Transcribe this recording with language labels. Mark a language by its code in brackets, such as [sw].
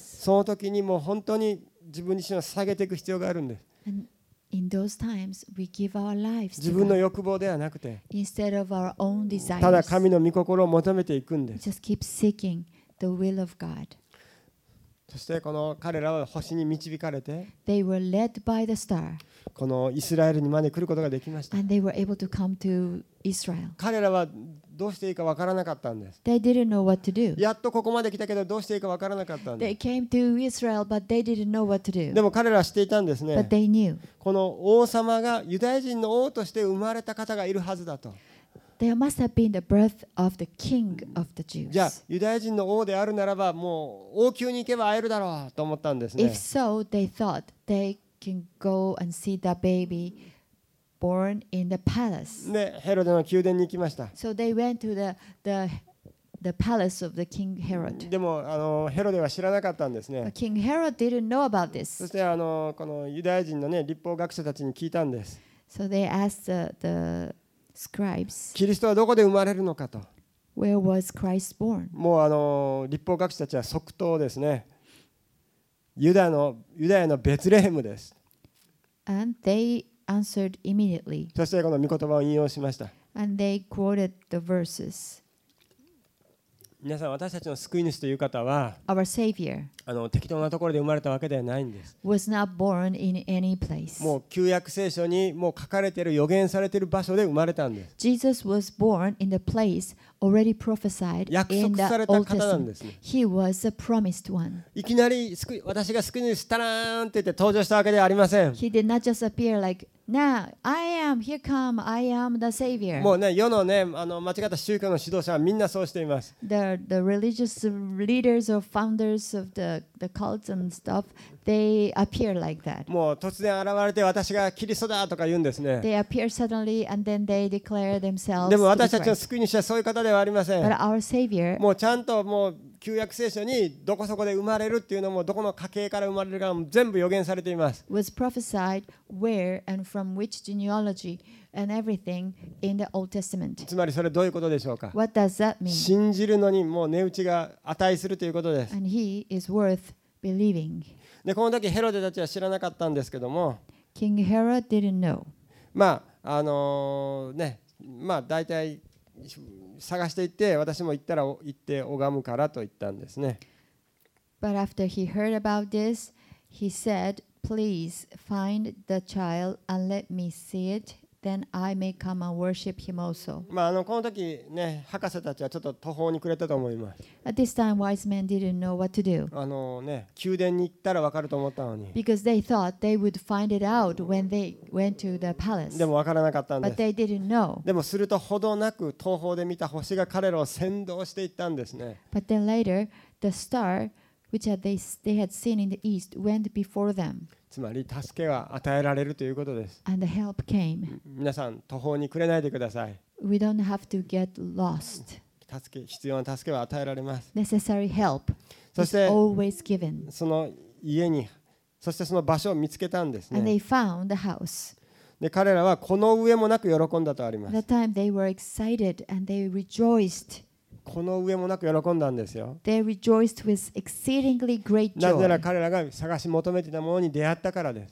[ja] その時にもう本当に自分自身を下げていく必要があるんです。 [en] And in those times, we give our lives. [ja] 自分の欲望ではなくて、 [en] instead of our own desires. [ja] ただ神の御心を求めていくんです。 [en] Just keep seeking the will of God. [ja] そしてこの彼らは星に導かれて、 [en] they were led by the star. [ja] このイスラエルにまで来ることができました。 [en] And they were able to come to Israel. [ja] 彼らはどうしていいか分からなかったんです。 [en] They didn't know what to do. [ja] やっとここまで来たけどどうしていいか分からなかったんです。 [en] They came to Israel, but they didn't know what to do. [ja] でも彼らは知っていたんですね。 [en] But they knew. [ja] この王様がユダヤ人の王として生まれた方がいるはずだと。 [en] There must have been the birth of the king of the Jews. [ja] じゃあユダヤ人の王であるならばもう王宮に行けば会えるだろうと思ったんですね。 [en] If so, they thought they can go and see the baby born in the palace. [ja] ね、ヘロデの宮殿に行きました。 [en] So they went to the palace of the king Herod. [ja] でもヘロデは知らなかったんですね。 [en] But king Herod didn't know about this. [ja] そしてこのユダヤ人のね、律法学者たちに聞いたんです。 [en] So they asked the Scribes. [ja] キリストはどこで生まれるのかと。 [en] Where was Christ born? [ja] もう立法学者たちは即答ですね。ユダヤのベツレヘムです。 [en] And they answered immediately. [ja] そしてこの御言葉を引用しました。 [en] And they quoted the verses. [ja] 皆さん私たちの救い主という方は、 [en] Our Savior. [ja] 適当なところで生まれたわけではないんです。 [en] Was not born in any place. [ja] もう旧約聖書にもう書かれている予言されている場所で生まれたんです。 [en] Jesus was born in the place already prophesied in the Old Testament. [ja] 約束された方なんですね。 [en] He was a promised one. [ja] いきなり私が救い主タラーンって言って登場したわけではありません。 [en] He did not just appear like now. I am here. Come. I am the Savior. [ja] もうね、世のね間違った宗教の指導者はみんなそうしています。 [en] The religious leaders or founders of the cults and stuff, they appear like that. [ja] もう突然現れて私がキリストだとか言うんですね。 [en] They appear suddenly and then they declare themselves. [ja] でも私たちの救い主はそういう方ではありません。 [en] But our Savior. [ja] もうちゃんともう旧約聖書にどこそこで生まれるっていうのもどこの家系から生まれるかも全部予言されています。 [en] Was prophesied where and from which genealogy. And everything in the Old Testament. [ja] つまりそれどういうことでしょうか。 [en] What does that mean? [ja] 信じるのにもう値打ちが値するということです。 [en] And he is worth believing. [ja] でこの時ヘロデたちは知らなかったんですけども。 [en] King Herod didn't know. [ja] まあねまあ大体探していって私も行ったら行って拝むからと言ったんですね。 [en] But after he heard about this, he said, "Please find the child and let me see it." Then I may come and worship him also. [ja] まあこの時ね、博士たちはちょっと途方に暮れたと思います。 [en] At this time, wise men didn't know what to do. [ja] ね、宮殿に行ったら分かると思ったのに。 [en] Because they thought they would find it out when they went to the palace. [ja] でも分からなかったんです。 [en] But they didn't know. [ja] でもするとほどなく途方で見た星が彼らを先導していったんですね。 [en] But then later, the star which they had seen in the east went before them. [ja] つまり助けは与えられるということです。 [en] And the help came. [ja] 皆さん途方に暮れないでください。 [en] We don't have to get lost. [ja] 助け必要な助けは与えられます。 [en] Necessary help. [ja] そして [en] is always given. [ja] その家にそしてその場所を見つけたんですね。 [en] And they found the house. [ja] で彼らはこの上もなく喜んだとあります。 [en] At that time they were excited and they rejoiced. [ja] この上もなく喜んだんですよ。 [en] They rejoiced with exceedingly great joy. [ja] なぜなら彼らが探し求めていたものに出会ったからです。